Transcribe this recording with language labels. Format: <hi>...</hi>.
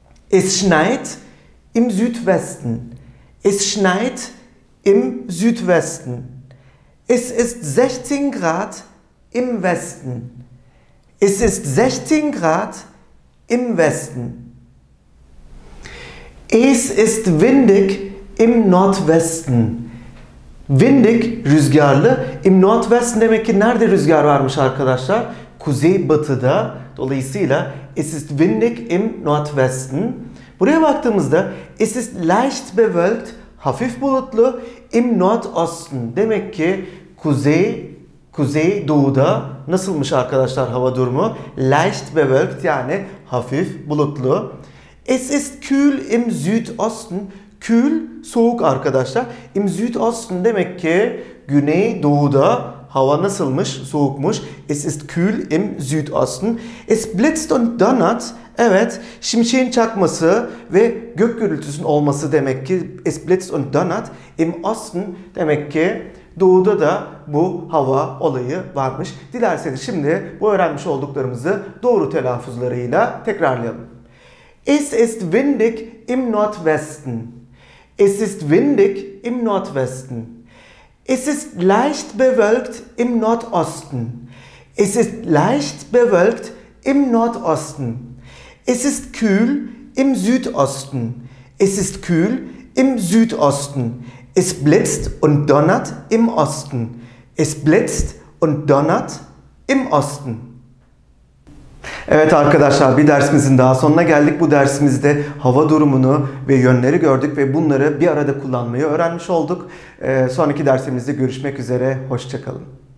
<de>Es schneit im Südwesten. Es schneit im Südwesten. Es ist 16 Grad im Westen. Es ist 16 Grad im Westen. Es ist windig im Nordwesten. Windig,</de> <tr>rüzgarlı.</tr> <de>Im Nordwesten</de> <tr>demek ki nerede rüzgar varmış arkadaşlar? Kuzeybatıda. Dolayısıyla</tr> <de>es ist windig im Nordwesten.</de> <tr>Buraya baktığımızda</tr> <de>es ist leicht bewölkt,</de> <tr>hafif bulutlu,</tr> <de>im Nordosten.</de> <tr>Demek ki kuzey doğuda nasılmış arkadaşlar hava durumu?</tr> <de>Leicht bewölkt,</de> <tr>yani hafif bulutlu.</tr> <de>Es ist kühl im Südosten. Kühl,</de> <tr>soğuk arkadaşlar.</tr> <de>Im Südosten</de> <tr>demek ki güney doğuda hava nasılmış? Soğukmuş.</tr> <de>Es ist kühl im Südosten. Es blitzt und donnert.</de> <tr>Evet, şimşeğin çakması ve gök gürültüsünün olması demek ki</tr> <de>es blitzt und donnert im Osten,</de> <tr>demek ki doğuda da bu hava olayı varmış. Dilerseniz şimdi bu öğrenmiş olduklarımızı doğru telaffuzlarıyla tekrarlayalım.</tr> <de>Es ist windig im Nordwesten. Es ist windig im Nordwesten. Es ist leicht bewölkt im Nordosten. Es ist leicht bewölkt im Nordosten. Es ist kühl im Südosten. Es ist kühl im Südosten. Es blitzt und donnert im Osten. Es blitzt und donnert im Osten.</de> <tr>Evet arkadaşlar, bir dersimizin daha sonuna geldik. Bu dersimizde hava durumunu ve yönleri gördük ve bunları bir arada kullanmayı öğrenmiş olduk. Sonraki dersimizde görüşmek üzere. Hoşça kalın.</tr>